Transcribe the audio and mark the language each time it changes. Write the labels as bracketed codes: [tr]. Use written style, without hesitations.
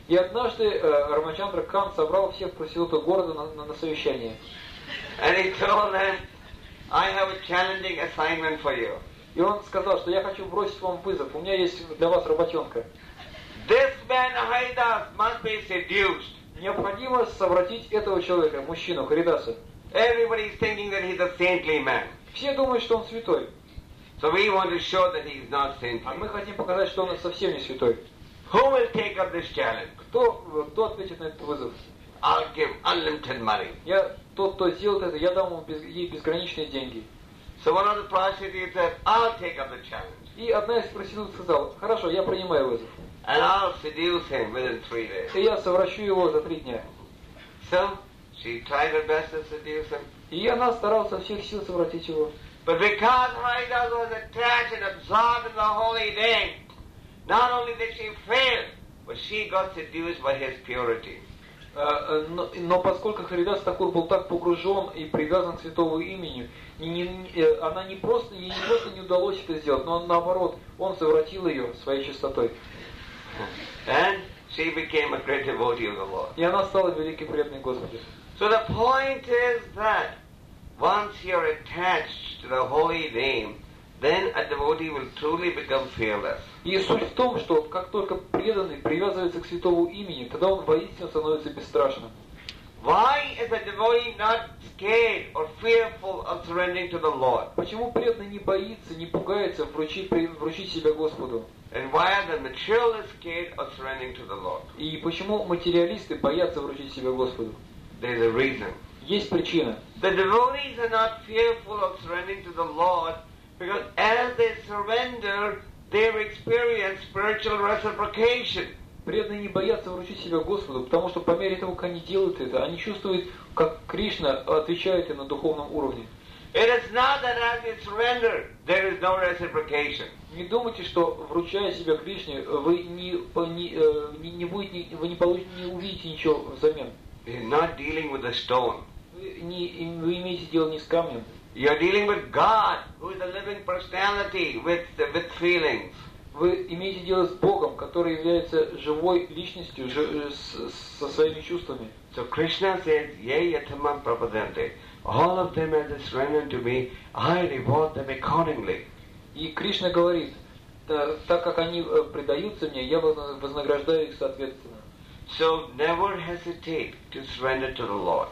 [ru] И однажды Рамачандра Кан собрал всех проституток города на совещание. [en] And he told them, I have a challenging assignment for you. [ru] И он сказал, что я хочу бросить вам вызов. У меня есть для вас работенка. [en] This man Haridas must be seduced. [ru] Необходимо совратить этого человека, мужчину Харидаса. [en] Everybody is thinking that he's a saintly man. [ru] Все думают, что он святой. [en] So we want to show that he's not saintly. [ru] А мы хотим показать, что он совсем не святой. [en] Who will take up this challenge? [ru] Кто ответит на этот вызов? [en] I'll give unlimited money. [ru] Я тот, кто сделает это, я дам ему ей безграничные деньги. [en] So one of the prostitutes said, I'll take up the challenge. [ru] И одна из проституток сказала, хорошо, я принимаю вызов. [en] And I'll seduce him within 3 days. [ru] И я совращу его за 3 дня. [en] So she tried her best to seduce him. [ru] И она старалась со всех сил совратить его. [en] But because Haridas was attached and absorbed in the holy name, not only did she fail, but she got seduced by his purity. [ru] Но поскольку Харидас Такур был так погружен и привязан к святому имени, ей не просто не удалось это сделать, но наоборот, он совратил ее своей чистотой. [en] And she became a great devotee of the Lord. [ru] И она стала великой преданной Господу. [en] So the point is that once you're attached to the holy name, then a devotee will truly become fearless. [ru] И суть в том, что как только преданный привязывается к святому имени, тогда он воистину становится бесстрашным. [en] Why is a devotee not scared or fearful of surrendering to the Lord? [ru] Почему преданный не боится, не пугается вручить себя Господу? [en] And why are the materialists scared of surrendering to the Lord? [ru] И почему материалисты боятся вручить себя Господу? [en] There's a reason. [ru] Есть причина. [en] The devotees are not fearful of surrendering to the Lord. Because as they surrender, they experience spiritual reciprocation. [ru] Преданные не боятся вручить себя Господу, потому что по мере того, как они делают это, они чувствуют, как Кришна отвечает им на духовном уровне. [en] It is not that as they surrender, there is no reciprocation. [ru] Не думайте, что вручая себя Кришне, вы не увидите ничего взамен. [en] You're not dealing with a stone. [ru] Вы имеете дело не с камнем. [en] You're dealing with God, who is a living personality with feelings. [ru] вы имеете дело с Богом, который является живой личностью, со своими чувствами. [en] So Krishna says, [sa] "Ye yatamam prapadante, [en] all of them are surrendered to me, I reward them accordingly." [ru] И Кришна говорит, так как они предаются мне, я вознаграждаю их соответственно. [en] So never hesitate to surrender to the Lord.